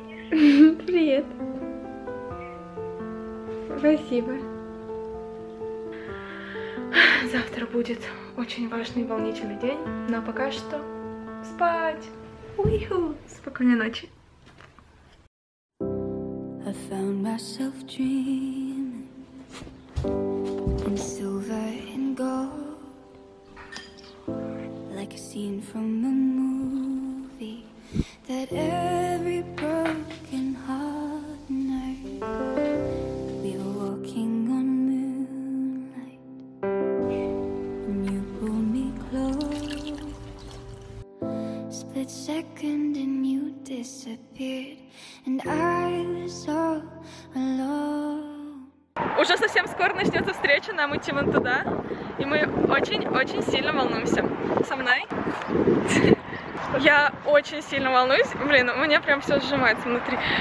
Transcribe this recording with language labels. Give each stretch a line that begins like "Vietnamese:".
Russian: Привет. Спасибо. Завтра будет очень важный и волнительный день, но пока что спать. Уиху. Спокойной ночи.
English: I found myself dreaming in silver and gold, like a scene from a movie that every broken heart knows. We were walking on moonlight, and you pulled me close. Split second and you disappeared. And I was all alone.
Russian: Уже совсем скоро начнется встреча, нам идти вон туда. И мы очень-очень сильно волнуемся. Со мной. Я очень сильно волнуюсь. Блин, у меня прям все сжимается внутри.